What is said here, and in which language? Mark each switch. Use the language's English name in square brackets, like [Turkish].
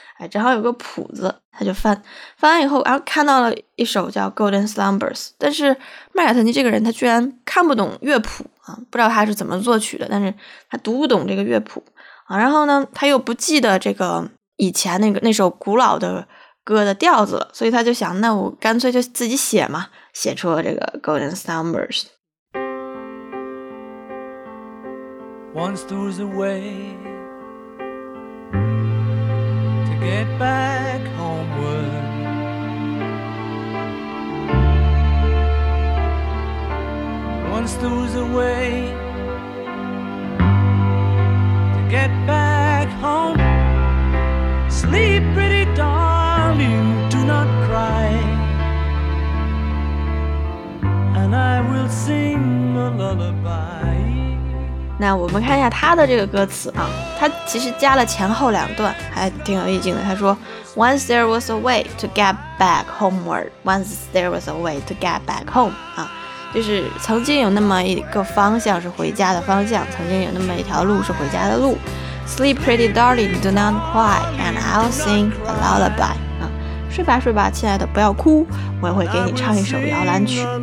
[Chinese] 正好有个谱子，他就翻完以后，然后看到了一首叫 Golden Slumbers， 但是麦卡特尼这个人他居然看不懂乐谱啊，不知道他是怎么作曲的，但是他读不懂这个乐谱啊，然后呢他又不记得这个以前那首古老的歌的调子了，所以他就想那我干脆就自己写嘛，写出了这个 Golden Slumbers。 [English] Once there was a way to get back homeward, once there was a way to get back home. Sleep pretty darling, do not cry, and I will sing a lullaby. [Chinese] 那我们看一下他的这个歌词啊，他其实加了前后两段，还挺有意境的。他说 [English] Once there was a way to get back homeward, once there was a way to get back home [Chinese] 啊，就是曾经有那么一个方向是回家的方向，曾经有那么一条路是回家的路。 [English] Sleep pretty darling, do not cry, and I'll sing a lullaby. [Chinese] 睡吧睡吧，亲爱的，不要哭，我也会给你唱一首摇篮曲。